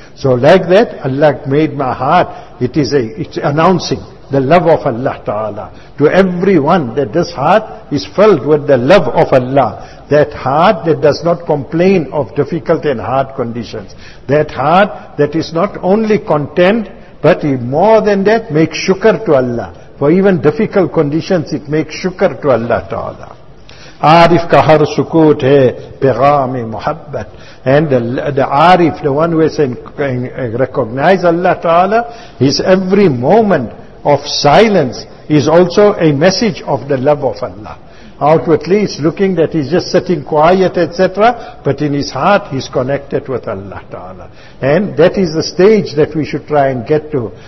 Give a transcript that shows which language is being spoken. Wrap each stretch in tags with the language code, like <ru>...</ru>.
<en>So like that, Allah made my heart. It's announcing the love of Allah Ta'ala to everyone, that this heart is filled with the love of Allah. That heart that does not complain of difficult and hard conditions. That heart that is not only content, but more than that, makes shukr to Allah. For even difficult conditions, it makes shukr to Allah Ta'ala.</en> <ur>عارف کا ہر سکوت ہے پیغام محبت.</ur> <en>And the عارف, the one who has recognized Allah Ta'ala, his every moment of silence is also a message of the love of Allah. Outwardly he's looking that he's just sitting quiet, etc. But in his heart he's connected with Allah Ta'ala. And that is the stage that we should try and get to.</en>